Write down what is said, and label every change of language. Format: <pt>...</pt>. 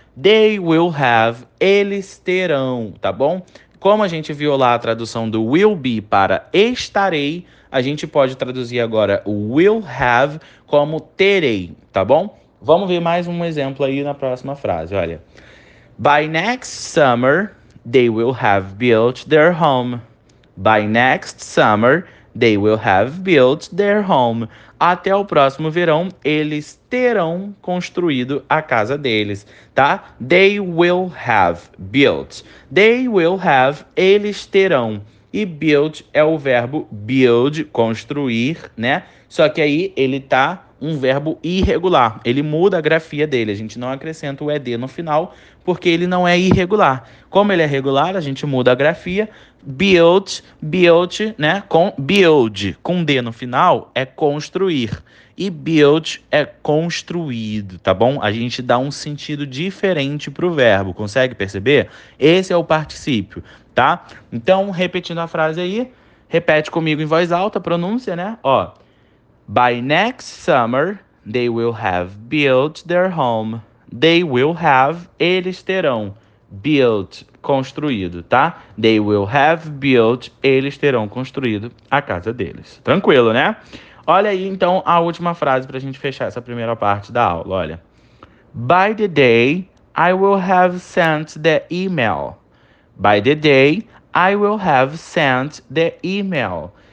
<en>They will have,</en> <pt>eles terão, tá bom? Como a gente viu lá a tradução do will be para estarei, a gente pode traduzir agora o will have como terei, tá bom? Vamos ver mais um exemplo aí na próxima frase, olha.</pt> <en>By next summer, they will have built their home. By next summer, they will have built their home.</en> <pt>Até o próximo verão, eles terão construído a casa deles, tá?</pt> <en>They will have built. They will have,</en> <pt>eles terão. E build é o verbo build, construir, né? Só que aí ele tá um verbo irregular. Ele muda a grafia dele. A gente não acrescenta o ed no final, porque ele não é irregular. Como ele é regular, a gente muda a grafia. Build, build, né? Com build, com D no final, é construir. E build é construído, tá bom? A gente dá um sentido diferente para o verbo, consegue perceber? Esse é o particípio, tá? Então, repetindo a frase aí, repete comigo em voz alta, pronúncia, né? Ó.</pt> <en>By next summer, they will have built their home. They will have,</en> <pt>eles terão.</pt> <en>Built,</en> <pt>construído, tá?</pt> <en>They will have built,</en> <pt>eles terão construído a casa deles. Tranquilo, né? Olha aí então a última frase para a gente fechar essa primeira parte da aula. Olha.</pt> <en>By the day, I will have sent the email. By the day, I will have sent the email.</en>